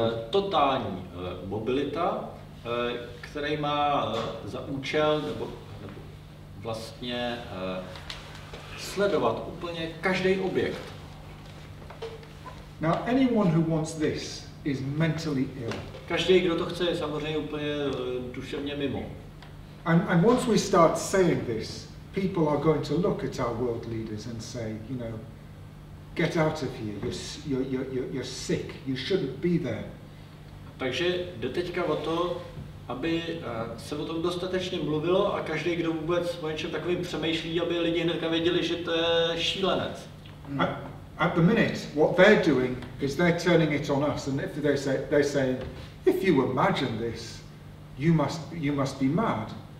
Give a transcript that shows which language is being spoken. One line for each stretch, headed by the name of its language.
Czech: Totální mobilita, který má za účel nebo vlastně sledovat úplně každý objekt.
English: Now anyone who wants this is mentally ill.
Czech: Každý, kdo to chce, je samozřejmě úplně duševně mimo.
English: And once we start saying this, people are going to look at our world leaders and say, you know, get out of here. You're sick. You shouldn't be there.
Czech: Takže jde teďka o to, aby se o tom dostatečně mluvilo a každý, kdo vůbec o něčem takovým přemýšlí, aby lidi hnedka věděli, že to je šílenec.
English: At the minute, what they're doing is they're turning it on us, and if they say, if you imagine this, you must be mad.